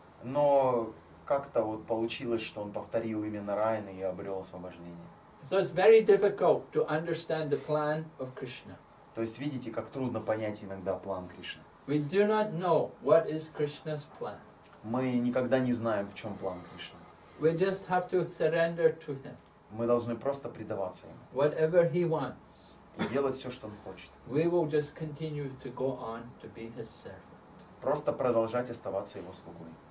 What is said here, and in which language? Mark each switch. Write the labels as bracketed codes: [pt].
[ru] Но как-то вот получилось, что он повторил имя Нараяна и обрел освобождение. [en] So it's very difficult to understand the plan of Krishna. [ru] То есть видите, как трудно понять иногда план Кришны. [en] We do not know what is Krishna's plan. [ru] Мы никогда не знаем, в чем план Кришны. [en] We just have to surrender to him. [ru] Мы должны просто предаваться ему. [en] Whatever he wants. [ru] И делать все, что он хочет. [en] We will just continue to go on to be his servant. [ru] Просто продолжать оставаться его слугой.